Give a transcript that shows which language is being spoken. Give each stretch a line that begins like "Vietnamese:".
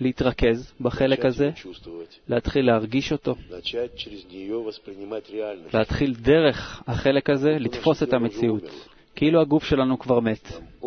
Hebrew: להתרכז בחלק הזה, להתחיל להרגיש אותו,
Russian: начать через неё воспринимать реальность,
Hebrew: להתחיל דרך החלק הזה לתפוס את המציאות כאילו הגוף שלנו כבר מת.